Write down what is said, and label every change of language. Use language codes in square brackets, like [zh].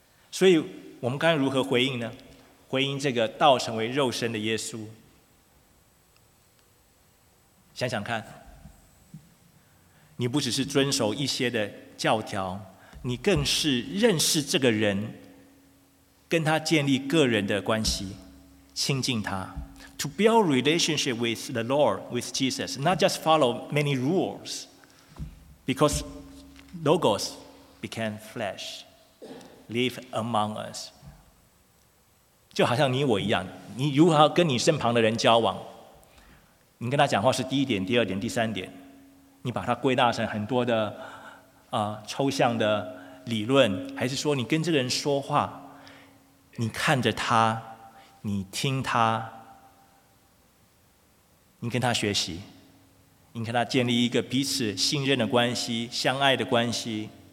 [zh] 所以我们该如何回应呢？回应这个道成为肉身的耶稣。想想看，你不只是遵守一些的教条，你更是认识这个人，跟他建立个人的关系，亲近他。 [en] To build relationship with the Lord, with Jesus, not just follow many rules, because Logos became flesh, live among us. [zh] 就好像你我一样，你如何跟你身旁的人交往，你跟他讲话是第一点、第二点、第三点，你把它归纳成很多的抽象的理论，还是说你跟这个人说话，你看着他，你听他，你跟他学习，你跟他建立一个彼此信任的关系、相爱的关系。